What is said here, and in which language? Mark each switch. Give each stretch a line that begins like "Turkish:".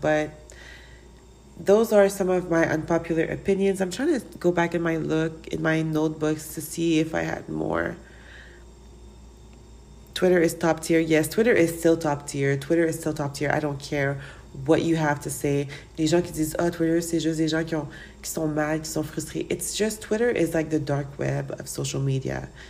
English: But those are some of my unpopular opinions. I'm trying to go back in my look, in my notebooks, to see if I had more. Twitter is top tier. Yes, Twitter is still top tier. Twitter is still top tier. I don't care what you have to say.
French: Les gens qui disent, oh, Twitter, c'est juste des gens qui sont mal, qui sont frustrés.
English: It's just, Twitter is like the dark web of social media.